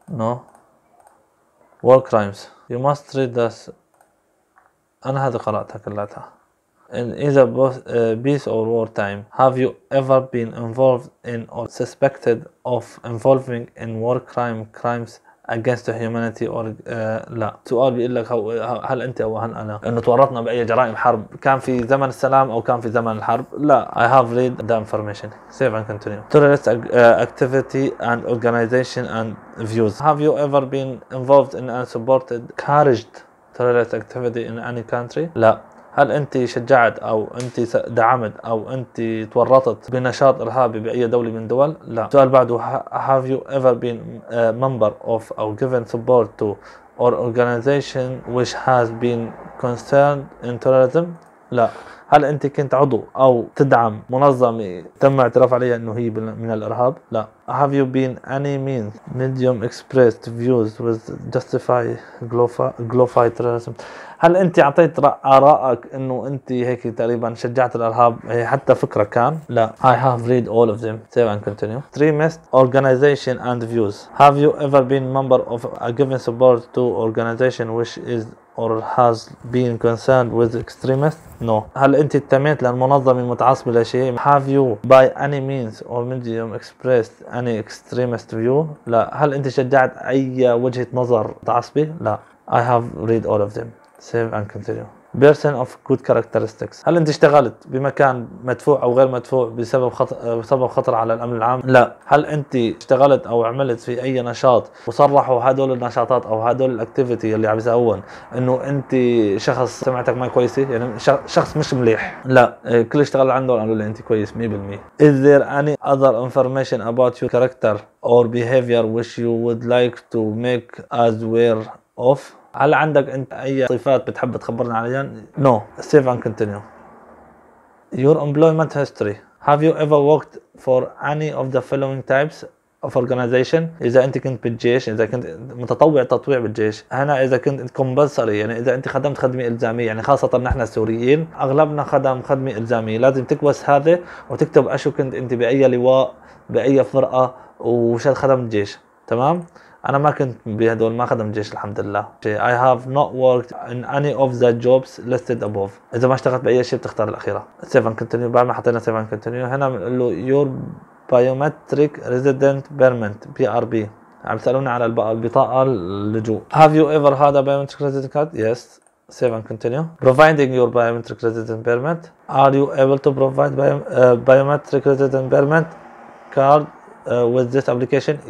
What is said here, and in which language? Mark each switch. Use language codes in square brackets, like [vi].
[en] No. War crimes. You must read this. [ar] أنا هذا قرأتها كلها. [en] In either both peace or war time, have you ever been involved in or suspected of involving in war crime crimes against humanity or [ar] لا. سؤال بيقول لك هل انت او هل انا انه تورطنا باي جرائم حرب كان في زمن السلام او كان في زمن الحرب. لا. [en] I have read the information. Save and continue. Terrorist activity and organization and views. Have you ever been involved in and supported encouraged terrorist activity in any country? [ar] لا. هل انت شجعت او انت دعمت او انت تورطت بنشاط ارهابي باي دولة من دول؟ لا. سؤال بعده. [en] Have you ever been a member of or given support to or organization which has been concerned in terrorism? [ar] لا. هل انت كنت عضو او تدعم منظمة تم اعتراف عليها انه هي من الارهاب؟ لا. [en] Have you been any means medium expressed views with justify glorify terrorism? [ar] هل انت اعطيت ارائك انه انت هيك تقريبا شجعت الارهاب حتى فكرة كان؟ لا. [en] I have read all of them. Save and continue. Three missed organization and views. Have you ever been member of a given support to organization which is or has been concerned with extremists? No. [ar] هل انت اتهمت لمنظمة متعصبة لشيء؟ [en] Have you by any means or medium expressed any extremist view? [ar] لا. هل انت شجعت اي وجهة نظر متعصبه؟ لا. [en] I have read all of them. Save and continue. Person of good characteristics. [ar] هل انت اشتغلت بمكان مدفوع او غير مدفوع بسبب خطر على الامن العام؟ لا. هل انت اشتغلت او عملت في اي نشاط وصرحوا هدول النشاطات او هدول الاكتيفيتي اللي عم يسوون انه انت شخص سمعتك ما كويسة يعني شخص مش مليح؟ لا. كل اشتغل عندهم قالوا لي انت كويس 100%. Is there any other information about your character or behavior which you would like to make as aware of? هل عندك انت اي صفات بتحب تخبرنا عليها؟ [en] No. Save and continue. Your employment history. Have you ever worked for any of the following types of organization? [ar] اذا انت كنت بالجيش اذا كنت متطوع تطوع بالجيش هنا اذا كنت كومبلسري يعني اذا انت خدمت خدمة الزامية يعني خاصة نحن السوريين اغلبنا خدم خدمة الزامية لازم تكبس هذا وتكتب اشو كنت انت باي لواء باي فرقة وشال خدم الجيش تمام؟ أنا ما كنت بهدول ما خدم جيش الحمد لله. [en] I have not worked in any of the jobs listed above. [ar] إذا ما اشتغلت بأي شيء بتختار الأخيرة. 7 continue. بعد ما حطينا 7 continue هنا بنقول له [en] your biometric resident permit PRB. [ar] عم سألوني على البطاقة اللجوء. [en] Have you ever had a biometric resident card? Yes. save and continue. Providing your biometric resident permit. Are you able to provide biometric resident permit card with this application?